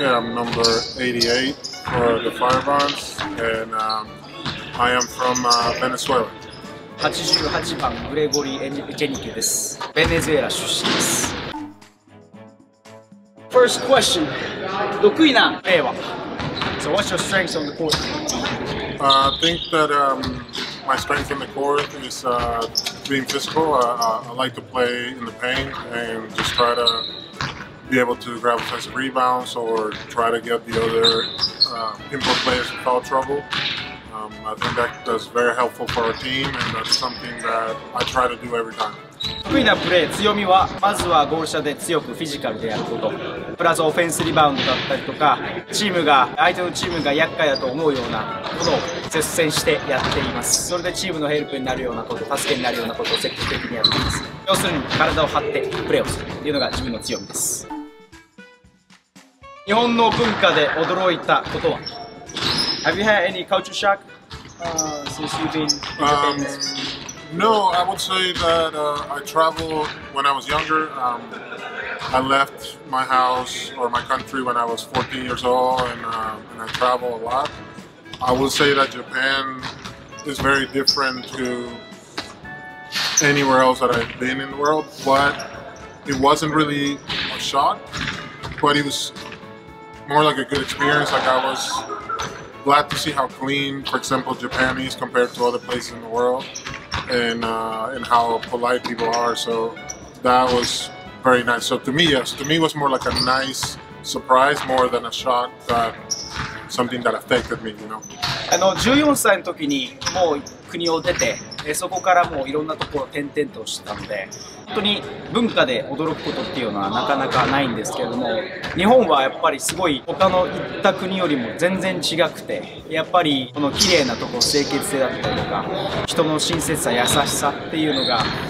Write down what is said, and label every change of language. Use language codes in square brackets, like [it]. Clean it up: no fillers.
[en] I'm number 88 for the Fire Bonds and I am from Venezuela. [ja] 88番グレゴリー・エチェニケです。ベネズエラ出身です。 [en] First question. [ja] 得意な A は。 [en] So what's your strength on the court? I think that my strength on the court is being physical. I like to play in the paint and just try to be able to grab offensive rebounds or try to get the other input players in foul trouble. I think that's very helpful for our team and that's something that I try to do every time. [ja] 得意なプレー、強みはまずはゴール下で強くフィジカルでやること、プラスオフェンスリバウンドだったりとか、チームが相手のチームが厄介だと思うようなことを接戦してやっています。それでチームのヘルプになるようなこと、助けになるようなことを積極的にやっています。要するに体を張ってプレーをするというのが自分の強みです。日本の文化で驚いたことは。 [en] Have you had any culture shock since you've been in Japan? No, I would say that I traveled when I was younger. I left my house or my country when I was 14 years old, and I travel a lot. I would say that Japan is very different to anywhere else that I've been in the world, but it wasn't really a shock, but it was more like a good experience. Like, I was glad to see how clean, for example, Japan is compared to other places in the world. And how polite people are, so that was very nice. So to me, yes, to me it was more like a nice surprise more than a shock that something that affected me, you know. [ja] 14歳の時にもう国を出て、そこからもういろんなところ転々としたので、本当に文化で驚くことっていうのはなかなかないんですけれども、日本はやっぱりすごい他の行った国よりも全然違くて、やっぱりこの綺麗なところ、清潔性だったりとか、人の親切さ、優しさっていうのが